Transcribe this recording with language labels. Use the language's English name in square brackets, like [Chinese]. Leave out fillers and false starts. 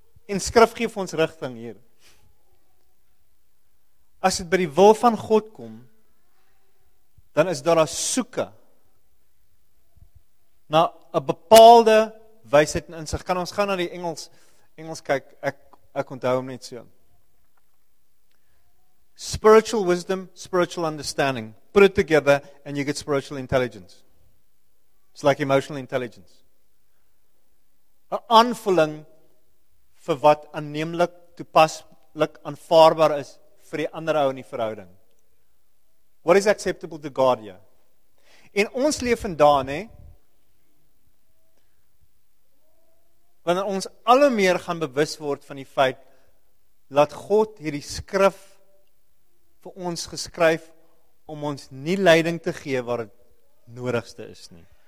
[Afrikaans] En skrif geef ons richting hier. As dit by die wil van God kom, dan is daar 'n soeke na 'n bepaalde wysheid en insig. Kan ons gaan na die Engels kyk, ek onthou hom net so. [English] Spiritual wisdom, spiritual understanding. Put it together and you get spiritual intelligence. It's like emotional intelligence. [Afrikaans] 'N aanvulling vir wat aanneemlik, toepaslik, aanvaarbaar is vir die ander ou in die verhouding. [English] What is acceptable to God, yeah? [Afrikaans] En ons leef vandaan, hè, wanneer ons al meer gaan bewus word van die feit, laat God hierdie skrif vir ons geskryf, om ons nie leiding te gee waar het nodigste is nie.